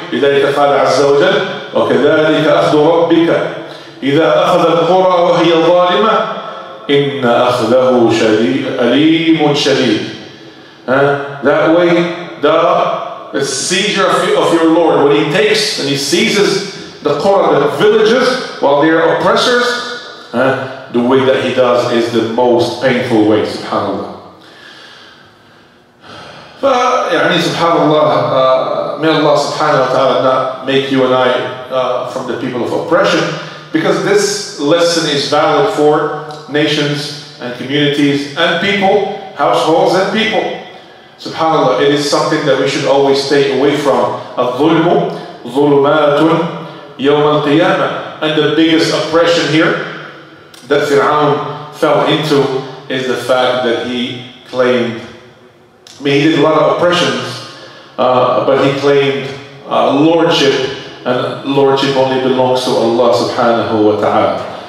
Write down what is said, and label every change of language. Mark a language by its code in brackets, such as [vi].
[ar] لذلك قال عز وجل وكذلك أخذ ربك إذا أخذ القرى وهي ظالمة إن أخذه شديد أليم شديد. [en] That way the seizure of your Lord, when he takes and he seizes the qura, the villages, while they are oppressors, the way that he does is the most painful way, subhanAllah. [ar] فيعني سبحان الله [en] may Allah subhanahu wa ta'ala not make you and I from the people of oppression, because this lesson is valid for nations and communities and people, households and people. SubhanAllah, it is something that we should always stay away from. [ar] الظلم ظلمات يوم القيامة. [en] And the biggest oppression here that Fir'aun fell into is the fact that he claimed, I mean, he did a lot of oppressions, but he claimed lordship, and lordship only belongs to Allah subhanahu wa ta'ala.